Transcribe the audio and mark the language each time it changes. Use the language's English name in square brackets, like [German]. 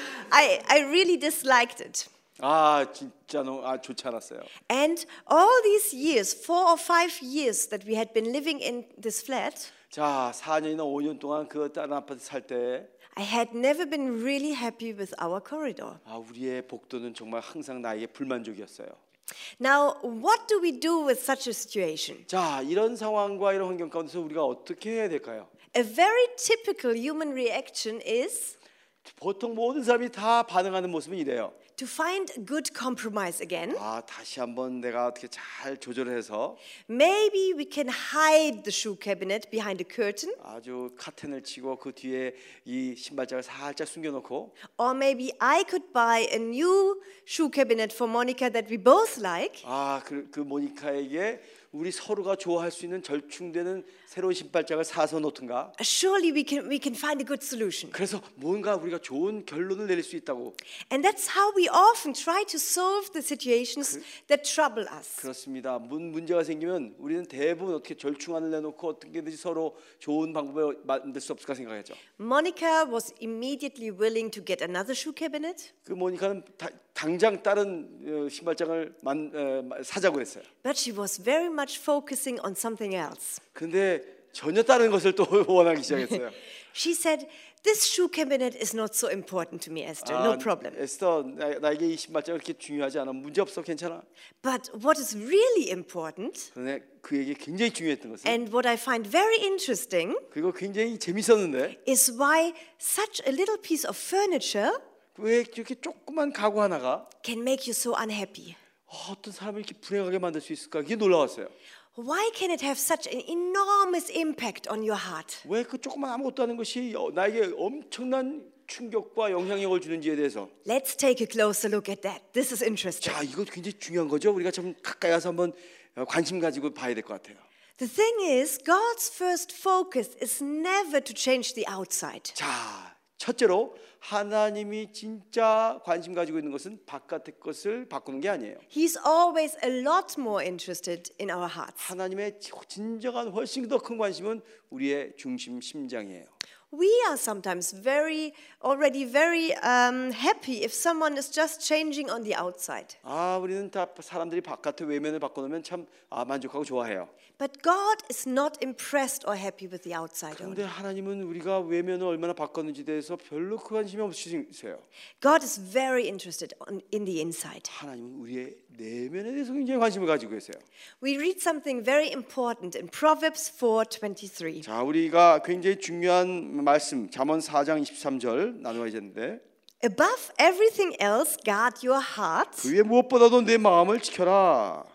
[English] I really disliked it. [Korean] 아 진짜 너무 아 좋지 않았어요. [English] And all these years, 4 or 5 years that we had been living in this flat. [Korean] 자, 4년이나 5년 동안 그 다른 아파트 살 때. [English] I had never been really happy with our corridor. [Korean] 아 우리의 복도는 정말 항상 나에게 불만족이었어요. [English] Now, what do we do with such a situation? [Korean] 자, 이런 상황과 이런 환경 가운데서 우리가 어떻게 해야 될까요? [English] A very typical human reaction is. [Korean] 보통 모든 사람이 다 반응하는 모습은 이래요. [English] To find good compromise again. [Korean] 아 다시 한번 내가 어떻게 잘 조절해서. [English] Maybe we can hide the shoe cabinet behind a curtain. [Korean] 아주 커튼을 치고 그 뒤에 이 신발장을 살짝 숨겨놓고. [English] Or maybe I could buy a new shoe cabinet for Monica that we both like. [Korean] 아 그 모니카에게 우리 서로가 좋아할 수 있는 절충되는 새로운 신발장을 사서 놓든가. [English] Surely we can find a good solution. [Korean] 그래서 뭔가 우리가 좋은 결론을 내릴 수 있다고. [English] And that's how we often try to solve the situations that trouble us. [Korean] 그렇습니다. 문제가 생기면 우리는 대부분 어떻게 절충안을 내놓고 어떻게든지 서로 좋은 방법을 만들 수 없을까 생각했죠. [English] Monica was immediately willing to get another shoe cabinet. [Korean] 그 모니카는 당장 다른 신발장을 사자고 했어요. [English] But she was very much focusing on something else. [Korean] 근데 전혀 다른 것을 또 원하기 시작했어요. [English] She said, "This shoe cabinet is not so important to me, Esther. No problem." [Korean] 에스터, 나에게 이 신발장 그렇게 중요하지 않아. 문제 없어, 괜찮아. [English] But what is really important? [Korean] 그런데 그에게 굉장히 중요했던 것은. [English] And what I find very interesting. [Korean] 그리고 굉장히 재밌었는데. [English] Is why such a little piece of furniture. [Korean] 왜 이렇게 조그만 가구 하나가 [English] can make you so unhappy. [Korean] 어떤 사람을 이렇게 불행하게 만들 수 있을까? 이게 놀라웠어요. [English] Why can it have such an enormous impact on your heart? [Korean] 왜 그 조그만 아무것도 하는 것이 나에게 엄청난 충격과 영향력을 주는지에 대해서. [English] Let's take a closer look at that. This is interesting. [Korean] 자, 이거 굉장히 중요한 거죠. 우리가 좀 가까이 와서 한번 관심 가지고 봐야 될 것 같아요. [English] The thing is, God's first focus is never to change the outside. [Korean] 자, 첫째로 하나님이 진짜 관심 가지고 있는 것은 바깥의 것을 바꾸는 게 아니에요. [English] He's always a lot more interested in our hearts. [Korean] 하나님의 진정한 훨씬 더 큰 관심은 우리의 중심 심장이에요. [English] We are sometimes already very happy if someone is just changing on the outside. [Korean] 아, 우리는 다 사람들이 바깥의 외면을 바꿔놓으면 참 만족하고 좋아해요. [English] But God is not impressed or happy with the outside. [Korean] 그런데 하나님은 우리가 외면을 얼마나 바꿨는지 대해서 별로 그 관심이 없으세요. [English] God is very interested in the inside. [Korean] 하나님은 우리의 내면에 대해서 굉장히 관심을 가지고 계세요. [English] We read something very important in Proverbs 4:23. [Korean] 자, 우리가 굉장히 중요한 말씀 잠언 4장 23절 나누어 있는데. [English] Above everything else, guard your heart. [Korean] 그 위에 무엇보다도 내 마음을 지켜라.